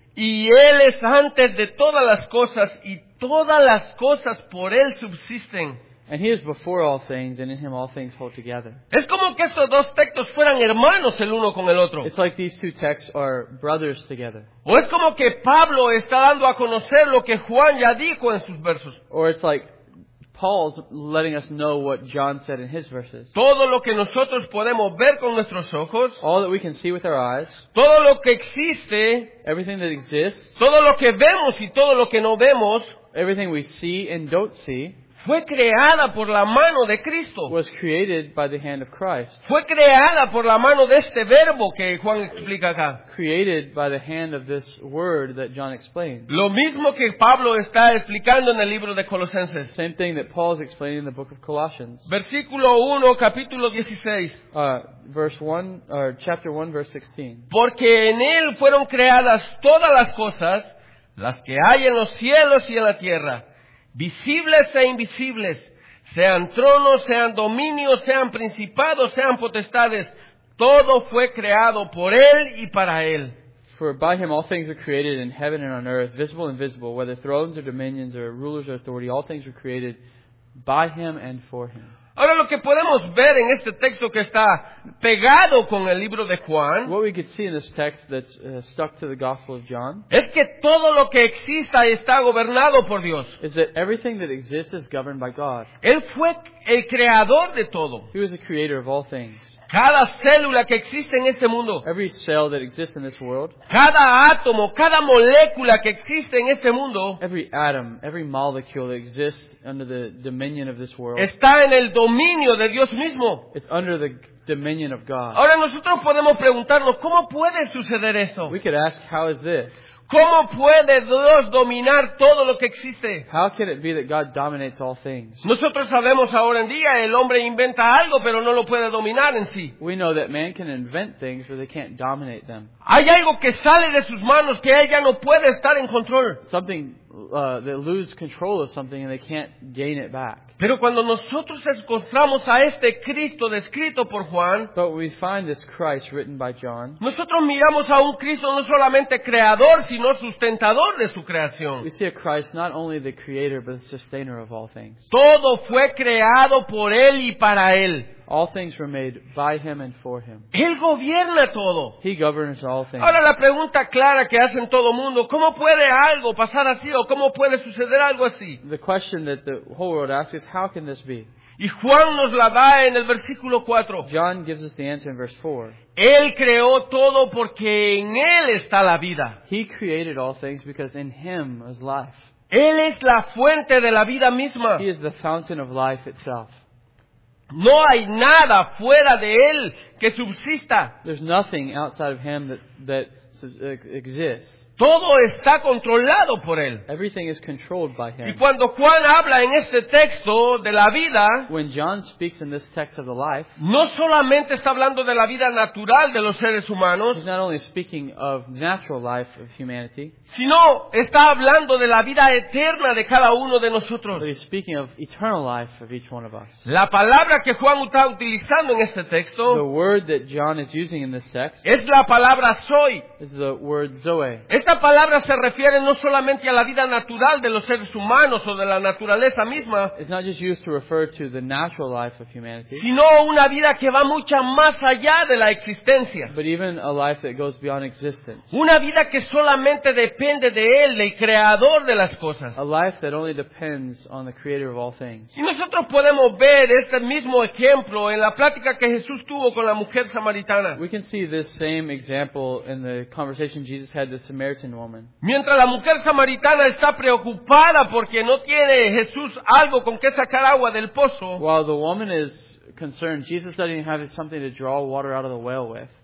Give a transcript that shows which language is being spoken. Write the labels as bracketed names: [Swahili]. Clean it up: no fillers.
[Spanish] Y él es antes de todas las cosas y todas las cosas por él subsisten. [English] And he is before all things, and in him all things hold together. [Spanish] Es como que estos dos textos fueran hermanos el uno con el otro. [English] It's like these two texts are brothers together. [Spanish] O es como que Pablo está dando a conocer lo que Juan ya dijo en sus versos. [English] Or it's like Paul's letting us know what John said in his verses. [Spanish] Todo lo que nosotros podemos ver con nuestros ojos, [English] all that we can see with our eyes, [Spanish] todo lo que existe, [English] everything that exists, [Spanish] todo lo que vemos y todo lo que no vemos, [English] everything we see and don't see, [Spanish] fue creada por la mano de Cristo. [English] Was created by the hand of Christ. [Spanish] Fue creada por la mano de este verbo que Juan explica acá. [English] Created by the hand of this word that John explained. [Spanish] Lo mismo que Pablo está explicando en el libro de Colosenses. [English] Same thing that Paul is explaining in the book of Colossians. [Spanish] Versículo 1, capítulo 16. [English] Chapter 1, verse 16. [Spanish] Porque en él fueron creadas todas las cosas, las que hay en los cielos y en la tierra, visibles e invisibles, sean tronos, sean dominios, sean principados, sean potestades, todo fue creado por él y para él. [English] For by him all things were created in heaven and on earth, visible and invisible, whether thrones or dominions or rulers or authority, all things were created by him and for him. [Spanish] Ahora lo que podemos ver en este texto que está pegado con el libro de Juan, [English] what we could see in this text that's stuck to the Gospel of John, [Spanish] es que todo lo que exista está gobernado por Dios. [English] Is that everything that exists is governed by God. [Spanish] Él fue el creador de todo. [English] He was the creator of all things. [Spanish] Cada célula que existe en este mundo, [English] every cell that exists in this world, [Spanish] cada átomo, cada molécula que existe en este mundo, [English] every atom, every molecule that exists under the dominion of this world, [Spanish] está en el dominio de Dios mismo. [English] It's under the dominion of God. [Spanish] Ahora nosotros podemos preguntarnos, ¿cómo puede suceder eso? [English] We could ask, how is this? [Spanish] ¿Cómo puede Dios dominar todo lo que existe? [English] How can it be that God dominates all things? [Spanish] Nosotros sabemos ahora en día el hombre inventa algo pero no lo puede dominar en sí. [English] We know that man can invent things but they can't dominate them. [Spanish] Hay algo que sale de sus manos que él ya no puede estar en control. [English] Something they lose control of something and they can't gain it back. [Spanish] Pero cuando nosotros encontramos a este Cristo descrito por Juan, [English] but we find this Christ written by John, [Spanish] nosotros miramos a un Cristo no solamente creador, sino sustentador de su creación. [English] We see a Christ not only the creator, but the sustainer of all things. [Spanish] Todo fue creado por él y para él. [English] All things were made by him and for him. [Spanish] Él gobierna todo. [English] He governs all things. [Spanish] Ahora la pregunta clara que hacen todo mundo, ¿cómo puede algo pasar así o cómo puede suceder algo así? [English] The question that the whole world asks is, how can this be? [Spanish] Y Juan nos la da en el versículo 4. [English] John gives us the answer in verse 4. [Spanish] Él creó todo porque en él está la vida. [English] He created all things because in him is life. [Spanish] Él es la fuente de la vida misma. [English] He is the fountain of life itself. [Spanish] No hay nada fuera de él que subsista. [English] There's nothing outside of him that exists. [Spanish] Todo está controlado por él. [English] Everything is controlled by him. [Spanish] Y cuando Juan habla en este texto de la vida, [English] when John speaks in this text of the life, [Spanish] no solamente está hablando de la vida natural de los seres humanos, [English] he's not only speaking of natural life of humanity, [Spanish] sino está hablando de la vida eterna de cada uno de nosotros. [English] But he's speaking of eternal life of each one of us. [Spanish] La palabra que Juan está utilizando en este texto, [English] the word that John is using in this text, [Spanish] es la palabra soy. [English] Is the word zoe. [Spanish] Esta palabra se refiere no solamente a la vida natural de los seres humanos o de la naturaleza misma, [English] it's not just used to refer to the natural life of humanity, [Spanish] sino una vida que va mucho más allá de la existencia. [English] But even a life that goes beyond existence. [Spanish] Una vida que solamente depende de él, del creador de las cosas. [English] A life that only depends on the creator of all things. [Spanish] Y nosotros podemos ver este mismo ejemplo en la plática que Jesús tuvo con la mujer samaritana. [English] We can see this same example in the conversation Jesus had with Samaritan woman. [Spanish] Mientras la mujer samaritana está preocupada porque no tiene Jesús algo con que sacar agua del pozo, [English] while the woman is concerned, Jesus doesn't have something to draw water out of the well with.